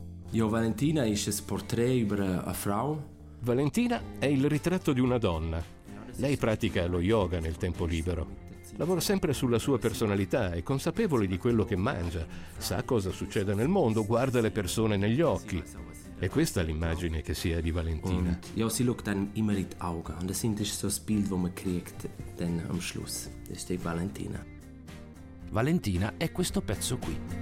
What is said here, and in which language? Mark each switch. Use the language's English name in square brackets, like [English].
[German] Io Valentina ist das Porträt über eine Frau. [Italian] Valentina è il ritratto di una donna. Lei pratica lo yoga nel tempo libero. Lavora sempre sulla sua personalità, è consapevole di quello che mangia, sa cosa succede nel mondo, guarda le persone negli occhi. E questa è l'immagine che si ha di Valentina. [German] Ja, sie schaut dann immer in die Augen. Und das ist so das Bild, das man kriegt dann am Schluss. Das ist die Valentina. [Italian] Valentina è questo pezzo qui.